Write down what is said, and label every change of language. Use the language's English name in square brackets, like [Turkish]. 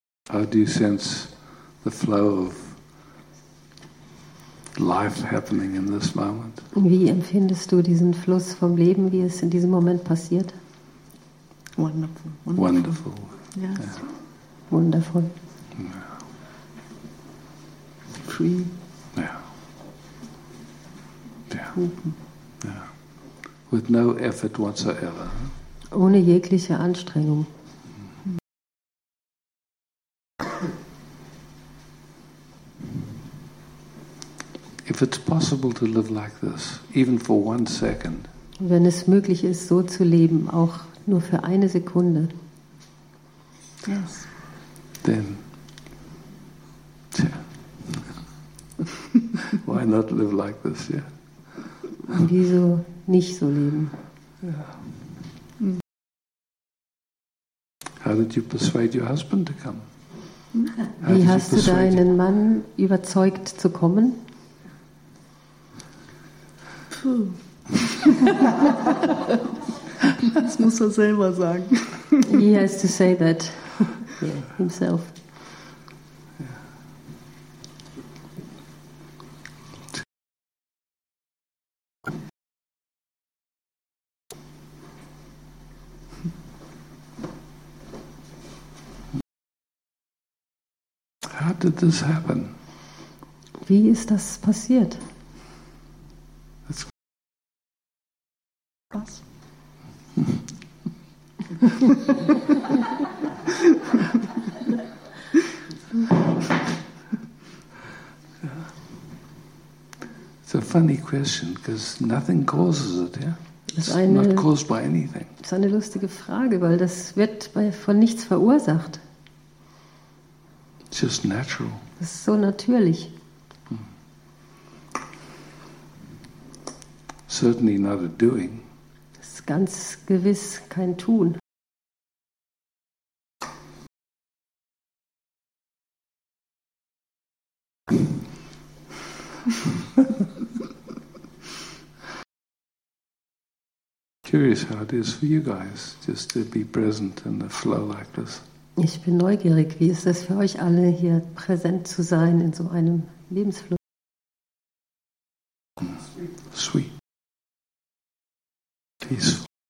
[English] How do you sense the flow of life happening in this moment? [German] Wie empfindest du diesen Fluss vom Leben, wie es in diesem Moment passiert? [English] Wonderful. Wonderful. Yes. Yeah. Wonderful. Yeah. Free. Yeah. Yeah. Open. Yeah. With no effort whatsoever. [German] Ohne jegliche Anstrengung. [English] If it's possible to live like this, even for one second. [German] Wenn es möglich ist, so zu leben, auch nur für eine Sekunde. [English] Yes. Then. Why not live like this, yeah? [German] Wieso nicht so leben? [English] Yeah. How did you persuade your husband to come? [German] Wie hast du deinen Mann überzeugt zu kommen? Das muss er selber sagen. [English] He has to say that himself. How did this happen? [German] Wie ist das passiert? [English] It's a funny question, because nothing causes it, yeah? It's not caused by anything. [German] Das ist eine lustige Frage, weil das wird von nichts verursacht. [English] It's just natural. [German] Das ist so natürlich. [English] Certainly not a doing. [German] Das ist ganz gewiss kein Tun. [English] Curious how it is for you guys just to be present in a flow like this. [German] Ich bin neugierig, wie ist das für euch alle hier präsent zu sein in so einem Lebensfluss? [English] Sweet. Peaceful.